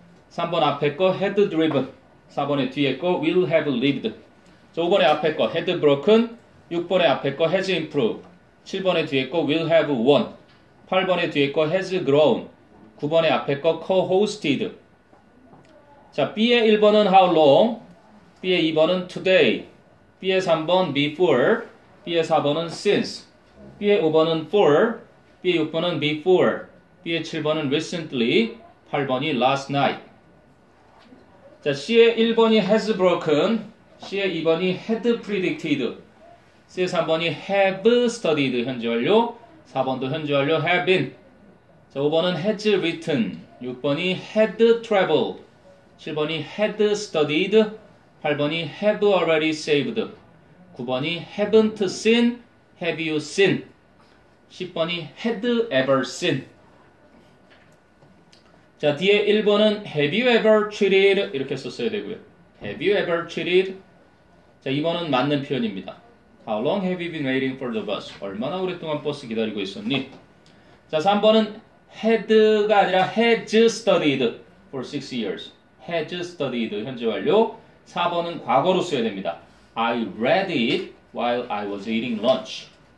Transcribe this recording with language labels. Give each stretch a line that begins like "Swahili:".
Korean: 3번 앞에 거, head driven. 4번에 뒤에 거, will have lived. 자, 5번에 앞에 거, head broken. 6번에 앞에 거, has improved. 7번에 뒤에 거, will have won. 8번에 뒤에 거, has grown. 9번에 앞에 거, co-hosted. 자, B의 1번은 how long, B의 2번은 today, B의 3번 before, B의 4번은 since, B의 5번은 for, B의 6번은 before, B의 7번은 recently, 8번이 last night. 자, C의 1번이 has broken, C의 2번이 had predicted, C의 3번이 have studied, 현재 완료, 4번도 현재 완료 have been. 자, 5번은 has written, 6번이 had traveled. 7번이 had studied, 8번이 have already saved, 9번이 haven't seen, have you seen, 10번이 had ever seen. 자, 뒤에 1번은
English: have you ever cheated?
Korean: 이렇게 썼어야 되고요.
English: Have you ever cheated?
Korean: 자, 2번은 맞는 표현입니다.
English: How long have you been waiting for the bus?
Korean: 얼마나 오랫동안 버스 기다리고 있었니? 자, 3번은 had가 아니라
English: has studied for 6 years.
Korean: Has studied 현재 완료. 4번은 과거로 써야 됩니다.
English: I read it while I was eating lunch.